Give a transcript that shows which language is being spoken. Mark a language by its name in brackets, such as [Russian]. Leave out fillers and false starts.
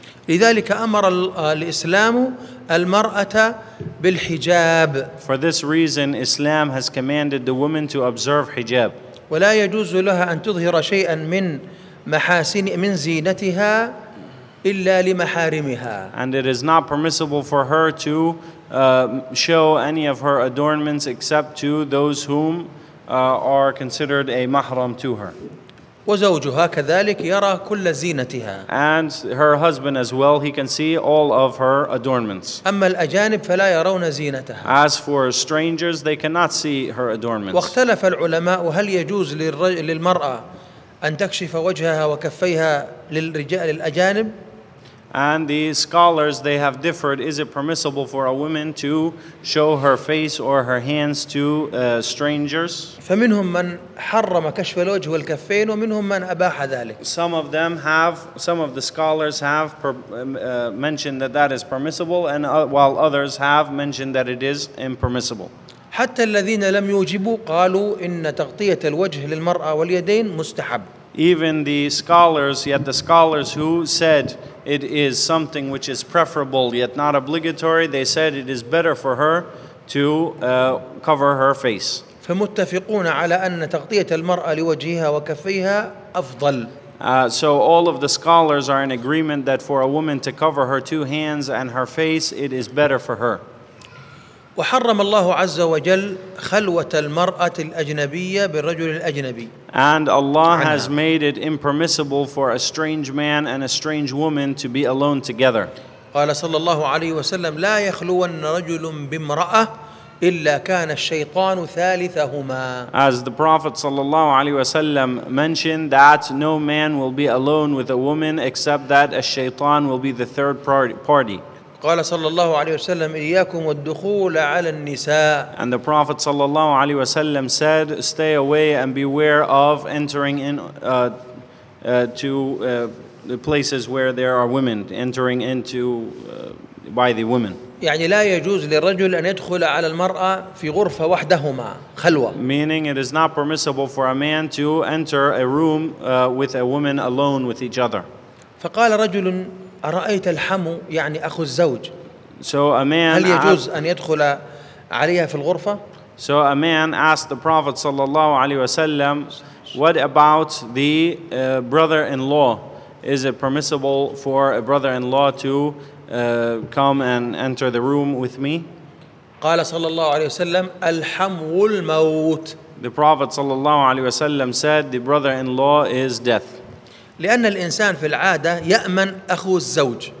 [Arabic] لذلك أمر الإسلام المرأة بالحجاب. [English] For this reason, Islam has commanded the woman to observe hijab. [Arabic] ولا يجوز لها أن تظهر شيئا من محاسن من زينتها إلا لمحارمها. [English] And it is not permissible for her to show any of her adornments except to those whom are considered a mahram to her. [Arabic] وزوجها كذلك يرى كل زينتها. [English] And her husband as well, he can see all of her adornments. [Arabic] أما الأجانب فلا يرون زينتها. [English] As for strangers, they cannot see her adornments. [Arabic] واختلف العلماء هل يجوز للمرأة أن تكشف وجهها وكفيها للرجال الأجانب؟ [English] And the scholars, they have differed. Is it permissible for a woman to show her face or her hands to strangers? [Arabic] فمنهم من حرم كشف الوجه والكفين ومنهم من أباح ذلك. [English] Some of the scholars have mentioned that that is permissible, and while others have mentioned that it is impermissible. [Arabic] حتى الذين لم يوجبوا قالوا إن تغطية الوجه للمرأة واليدين مستحب. [English] Even the scholars, yet the scholars who said it is something which is preferable yet not obligatory, they said it is better for her to cover her face. [Arabic] فمتفقون على أن تغطية المرأة لوجهها وكفيها أفضل. [English] So all of the scholars are in agreement that for a woman to cover her two hands and her face, it is better for her. [Arabic] وحرم الله عز وجل خلوة المرأة الأجنبية بالرجل الأجنبي. [English] And Allah has made it impermissible for a strange man and a strange woman to be alone together. [Arabic] قال صلى الله عليه وسلم لا يخلون رجل بامرأة إلا كان الشيطان ثالثهما. [English] As the Prophet [Arabic] صلى الله عليه وسلم [English] mentioned that no man will be alone with a woman except that a shaitan will be the third party. [Arabic] قال صلى الله عليه وسلم إياكم والدخول على النساء. [English] And the Prophet [Arabic] صلى الله عليه وسلم [English] said, stay away and beware of entering in the places where there are women, entering into by the women. [Arabic] يعني لا يجوز للرجل أن يدخل على المرأة في غرفة وحدهما خلوة. [English] Meaning it is not permissible for a man to enter a room with a woman alone with each other. [Arabic] فقال رجل أرأيت الحمو يعني أخو الزوج [English] so a man [Arabic] هل يجوز أن يدخل عليها في الغرفة؟ [English] So a man asked the Prophet [Arabic] صلى الله عليه وسلم [English] what about the brother-in-law? Is it permissible for a brother-in-law to come and enter the room with me? [Arabic] قال صلى الله عليه وسلم الحمو الموت. [English] The Prophet [Arabic] صلى الله عليه وسلم [English] said the brother-in-law is death. [Arabic] لأن الإنسان في العادة يأمن أخو الزوج.